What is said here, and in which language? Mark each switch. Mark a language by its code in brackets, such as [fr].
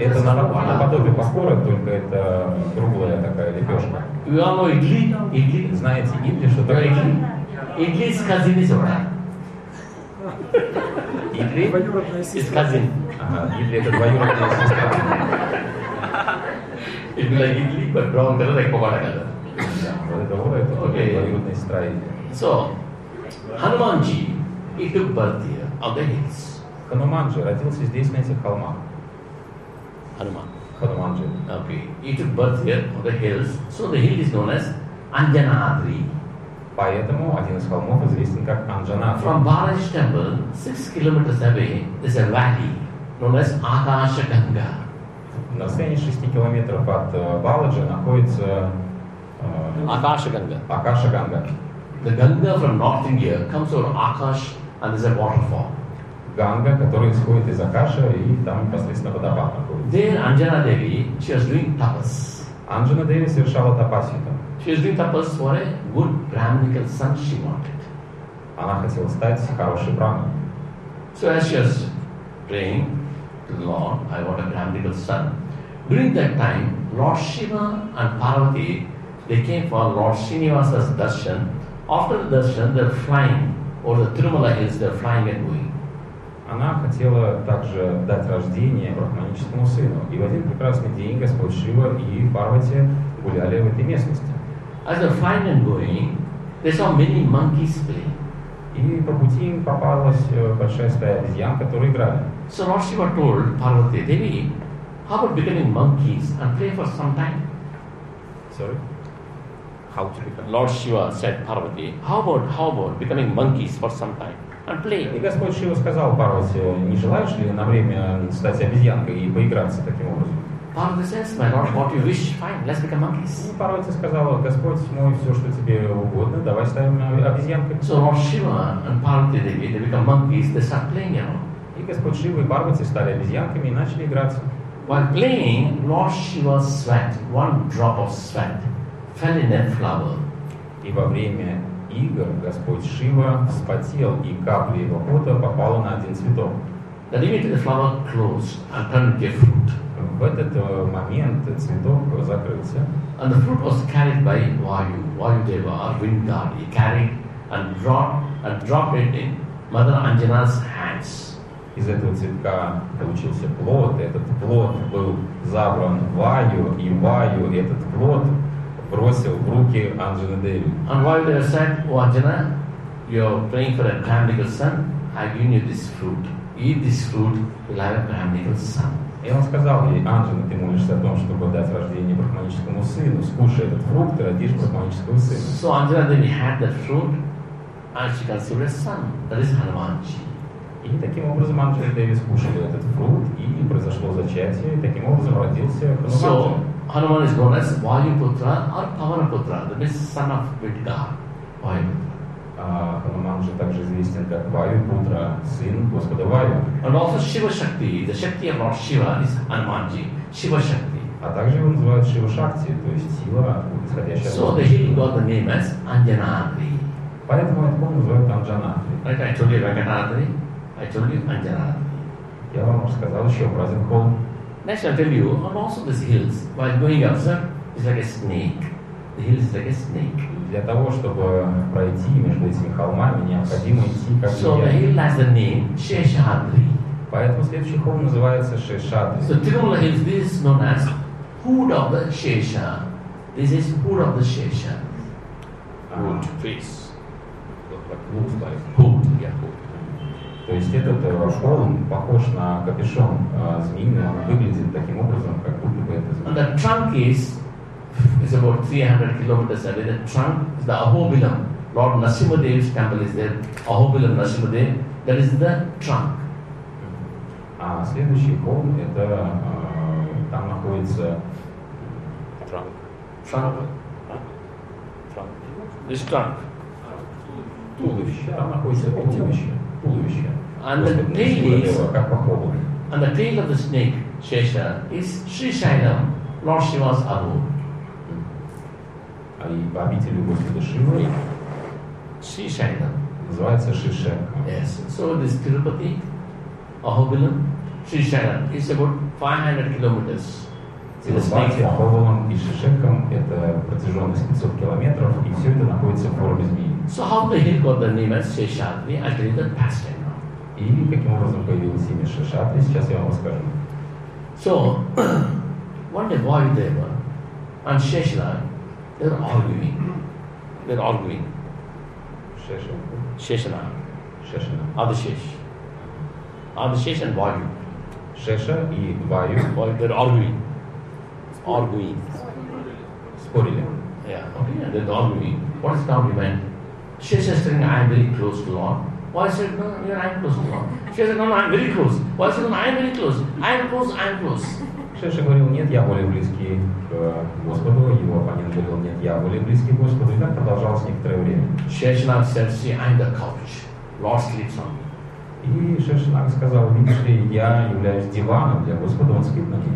[ru] Это наподобие покора, только это круглая такая лепешка. [en] You all know idli? Idli? [ru] Знаете идли, что такое? [en] Idli? Idli is cousin is what? Idli? It's cousin. [ru] Idli это двоюродная сестра. [en] It will be like idli, but brown color, like pavada color. Okay. So, Hanumanji, he took birth here, on the hills. [ru] Hanumanji родился здесь, на этих холмах. [en] Hanuman. Hanumanji. Okay. He took birth here, on the hills. So, the hill is known as Anjanadri. [ru] Поэтому один из холмов известен как Anjanadri. [en] From Balaji temple, 6 kilometers away, is a valley known as Akashaganga. [ru] На расстоянии 6 километров от Баладжи находится Акашаганга. Акашаганга. [en] The Ganga from North India comes over Akash and there's a waterfall. [ru] Ганга, которая исходит из Акаша, и там непосредственно водопад находится. [en] There Anjana Devi, she was doing tapas. [ru] Anjana Devi совершала тапасию там. [en] She was doing tapas for a good Brahminical son she wanted. [ru] Она хотела стать хорошей брахманкой. [en] So as she was praying to the Lord, I want a Brahminical son. During that time, Lord Shiva and Parvati, they came for Lord Srinivasa's darshan. After the darshan, they're flying over the Tirumala hills, they're flying and going. [ru] Она хотела также дать рождение брахманическому сыну. И в один прекрасный день Господь Шива и Парвати гуляли в этой местности. [en] As they're flying and going, they saw many monkeys playing. [ru] И по пути им попалась большая стая обезьян, которые играли. [en] So Lord Shiva told Parvati, Devi, how about becoming monkeys and play for some time? Sorry? How to become? Lord Shiva said Parvati, how about becoming monkeys for some time and play? [ru] И Господь Шива сказал Парвати, не желаешь ли на время стать обезьянкой и поиграться таким образом? [en] Parvati says, my Lord, what you wish, fine, let's become monkeys. [ru] И Парвати сказала, Господь мой, все, что тебе угодно, давай ставим обезьянкой. [en] So Lord Shiva and Parvati, they become monkeys, they start playing, you know? [ru] И Господь Шива и Парвати стали обезьянками и начали играться. [en] While playing, Lord Shiva's sweat, one drop of sweat, fell in a flower. [ru] И во время игр Господь Шива вспотел, и капли его пота попала на один цветок. [en] Then immediately the flower closed and turned into a fruit. [ru] В этот момент цветок закрылся. [en] And the fruit was carried by Vayu, Vayudeva, or wind god. He carried and dropped it in Mother Anjana's hands. [ru] из этого цветка получился плод, этот плод был забран Ваю, и Ваю этот плод бросил в руки Анджаны Деви. [en] And while they said, "Oh Anjana, you are praying for a Brahminical son, I give you this fruit. Eat this fruit, you'll have a Brahminical son." [ru] И он сказал ей: Анджана, ты молишься о том, чтобы дать рождение брахманическому сыну, скушай этот фрукт, ты родишь брахманического сына. [en] So Anjana Devi had that fruit, and she conceived a son. That is Hanumanji. [ru] И таким образом Анджана Деви скушали этот фрукт, и произошло зачатие, и таким образом родился Хануман. [en] So Hanuman is known as Vayuputra or Pavanaputra, that means son of Midgar. Vayuputra. [ru] Хануман же также известен как Vayuputra, сын Господа Ваю. [en] And also Shiva Shakti, the Shakti of Lord Shiva is Hanumanji, Shiva Shakti. [ru] А также его называют Shiva Shakti, то есть сила, исходящая от Господа. [en] So he got the name as Anjanadri. [ru] Поэтому его называют Anjanadri. [en] Like I told you, Anjanadri. I told you, Anjanadri. [ru] Я вам уже сказал еще про один холм. [en] Next, I'll tell you, on also these hills, while going up, sir, it's like a snake. The hills is like a snake. [ru] Для того, чтобы пройти между этими холмами, необходимо идти как [en] So the hill has the name Sheshadri. [ru] Поэтому следующий холм называется Sheshadri. [en] So Tirumala Hills, this is known as Hood of the Shesha. This is Hood of the Shesha. Hood, face. Looks like Hood, yeah, Hood. [ru] То есть этот холм похож на капюшон змеиный, он выглядит таким образом, как будто бы это змея. [en] And the trunk is about 300 kilometers away. The trunk is the Ahobilam. Lord Narasimhadev's temple is there. Ahobilam Narasimhadev, that is the trunk. [ru] А следующий холм, это там находится... [en] Trunk. Trunk. Trunk. This trunk. [ru] Туловище. Там находится туловище. [en] And the tail of the snake, Shesha, is Sri Shailam, Lord Shiva's abode. And the abode of Lord Shiva is Sri Shailam. [ru] Называется Sri Shailam. [en] Yes. So this Tirupati, Ahobilam, Sri Shailam is about 500 kilometers. [ru] Тирупати, Ахобилам и Шишекам – это протяженность 500 километров, и все это находится в форме змеи. [en] So how the hill got the name as Sheshadri? I'll tell you the past time now. [ru] И каким образом появилось имя Шешадри, сейчас я вам расскажу. [en] So, one day Vayudeva and Shesha, they're arguing. They're arguing. Shesha. Sheshana. Sheshana. Adishesh. Adishesh and Vayu. [ru] Shesha и Vayu. [en] Vayu, they're arguing. Arguing. Sporting. Yeah. Okay. They're arguing. What is the argument? She says, I am very close to Lord. Why is it? No, you are close to Lord. She said, no, I am very close. Why is it? No, I am very close. I am close, I am close. [ru] Шеша говорил, нет, я более близкий к Господу. Его оппонент говорил, нет, я более близкий к Господу. И так продолжалось некоторое время. [en] Шешнаг said, see, I am the couch. Lord sleeps on me. [ru] И Шешнаг сказал, видишь ли, я являюсь диваном для Господа, он спит на мне.